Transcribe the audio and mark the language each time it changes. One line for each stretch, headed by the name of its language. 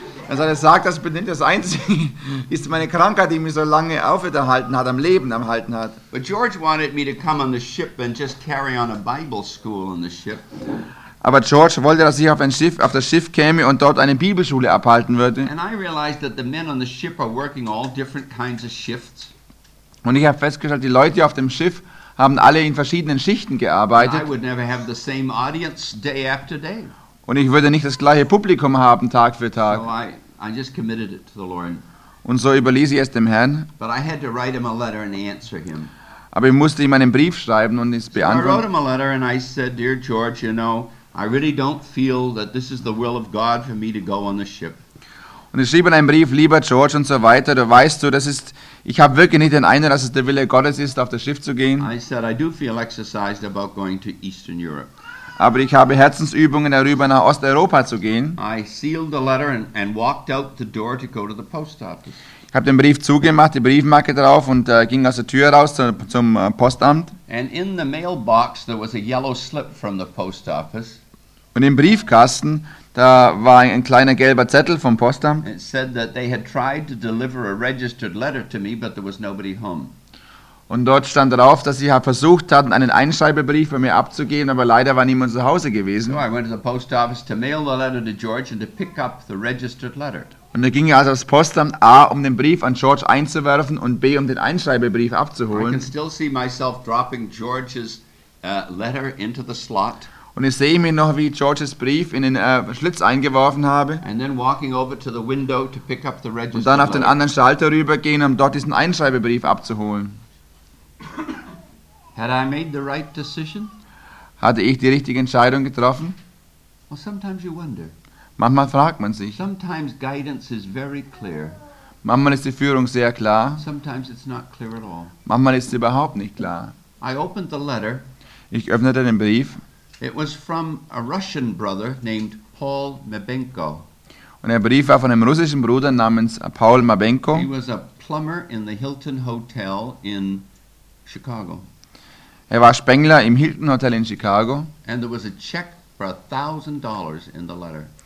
German: Er sagte, sag das bitte nicht, das Einzige ist meine Krankheit, die mich so lange aufrechterhalten hat, am Leben erhalten hat.
English: But George wanted me to come on the ship and just carry on a Bible school on the ship.
German: Aber George wollte, dass ich auf das Schiff käme und dort eine Bibelschule abhalten würde.
English: And I realized that the men on the ship are working all different kinds of shifts.
German: Und ich habe festgestellt, die Leute auf dem Schiff haben alle in verschiedenen Schichten gearbeitet.
English: I would never have the same audience day after day.
German: Und ich würde nicht das gleiche Publikum haben Tag für Tag.
English: So I just committed it to the Lord.
German: Und so überließ ich es dem Herrn.
English: But I had to write him a letter and answer him.
German: Aber ich musste ihm einen Brief schreiben und es beantworten.
English: So I wrote him a letter and I said, "Dear George, you know, I really don't feel that this is the will of God for me to go on the ship."
German: Und ich schrieb einen Brief, lieber George und so weiter. Du weißt du, das ist, ich habe wirklich nicht den Eindruck, dass es der Wille Gottes ist, auf das Schiff zu gehen.
English: I said, I do feel exercised about going to Eastern Europe.
German: Aber ich habe Herzensübungen darüber, nach Osteuropa zu gehen.
English: I sealed the letter and walked out the door to go to the post office.
German: Ich habe den Brief zugemacht, die Briefmarke drauf und ging aus der Tür raus zum Postamt.
English: And in the mailbox there was a yellow slip from the post office.
German: Und im Briefkasten, da war ein kleiner gelber Zettel vom Postamt.
English: It said that they had tried to deliver a registered letter to me, but there was nobody home.
German: Und dort stand drauf, dass sie versucht hatten, einen Einschreibebrief bei mir abzugeben, aber leider war niemand zu Hause gewesen.
English: So I went to the post office to mail the letter to George and to pick up the registered letter.
German: Und er ging also aufs Postamt, A, um den Brief an George einzuwerfen und B, um den Einschreibebrief abzuholen.
English: I can still see myself dropping George's letter into the slot.
German: Und ich sehe mir noch, wie ich George's Brief in den Schlitz eingeworfen habe.
English: And then walking over to the window to pick up the registered
German: und dann auf den anderen Schalter rübergehen, um dort diesen Einschreibebrief abzuholen.
English: Had I made the right decision?
German: Hatte ich die richtige Entscheidung getroffen?
English: Well, sometimes you wonder.
German: Manchmal fragt man sich.
English: Sometimes guidance is very clear.
German: Manchmal ist die Führung sehr klar.
English: Sometimes it's not clear at all.
German: Manchmal ist sie überhaupt nicht klar.
English: I opened the letter.
German: Ich öffnete den Brief.
English: It was from a Russian brother named Paul Mabenko.
German: Und der Brief war von einem russischen Bruder namens Paul Mabenko.
English: He was a plumber in the Hilton Hotel in Chicago.
German: Er war Spengler im Hilton Hotel in Chicago.
English: And there was a check for $1,000 in the letter.